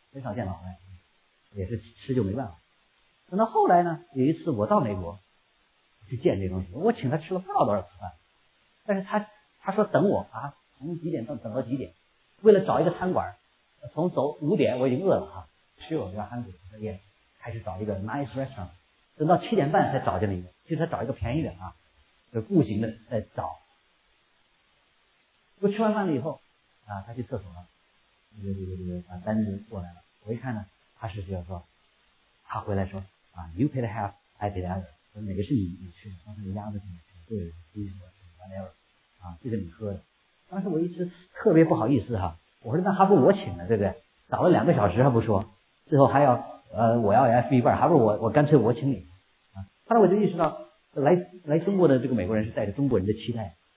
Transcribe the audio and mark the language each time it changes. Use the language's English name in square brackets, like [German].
[Chinese] 很少见老外，也是吃就没办法。等到后来呢，有一次我到美国去见这东西，我请他吃了不知道多少次饭，但是他说等我啊，从几点等到几点，为了找一个餐馆，从走五点我已经饿了啊，吃我这个汉堡，他也开始找一个 nice restaurant， 等到七点半才找见了一个，就是他找一个便宜的啊，就步行的在找。我吃完饭了以后啊，他去厕所了，这个把单子过来了。我一看呢，他是需要说，他回来说啊 ， [English] You pay the half, I pay the other。 [Chinese] 说哪个是你吃的？当时鸭子是你吃的，对，鸡是我吃的 ，whatever。啊，这个你喝的。当时我一直特别不好意思哈，我说那还不我请的，对不对？找了两个小时还不说，最后还要我要付一半，还不我干脆我请你。啊，后来我就意识到，来中国的这个美国人是带着中国人的期待。